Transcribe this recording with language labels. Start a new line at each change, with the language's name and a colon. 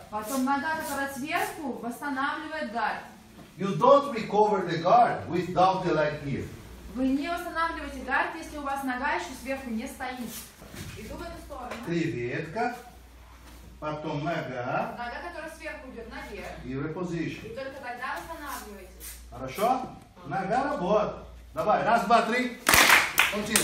Russian: Потом нога, которая сверху, восстанавливает гард.
English: You don't recover the guard without the leg here.
Russian: Вы не восстанавливаете гард, если у вас нога еще сверху не стоит. Иду в эту сторону. Креветка. Потом нога. Нога, которая сверху идет наверх. И repositioning. И только тогда восстанавливаетесь. Хорошо? Нога работает. Давай, раз, два, три. Continue.